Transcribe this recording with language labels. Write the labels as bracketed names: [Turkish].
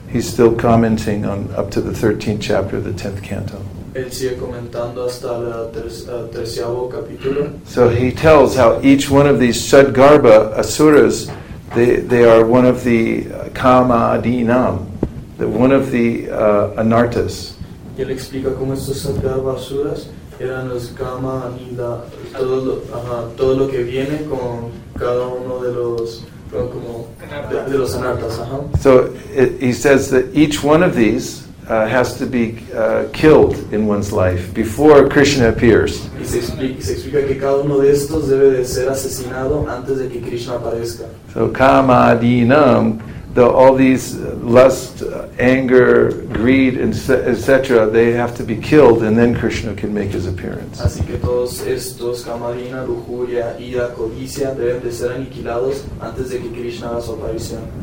[English] He's still commenting on up to the 13th chapter of the 10th canto. [Spanish] Él sigue comentando hasta el treceavo capítulo. [English] So he tells how each one of these Shadgarbha asuras, they are one of the kama adinam. That one of the anartas. [Spanish] Y él explica cómo estos Shadgarbha asuras eran los kama anida, todo lo que viene con cada uno de los, como de los anartas. [English] So he says that each one of these has to be killed in one's life before Krishna appears. [Spanish] Y se explica que cada uno de estos debe de ser asesinado antes de que Krishna aparezca. [English] So kama adinam. All these lust, anger, greed, etc., they have to be killed, and then Krishna can make his appearance. [Spanish] Así que todos estos, kamadina, lujuria, ira, codicia, deben de ser aniquilados antes de que Krishna haga su aparición.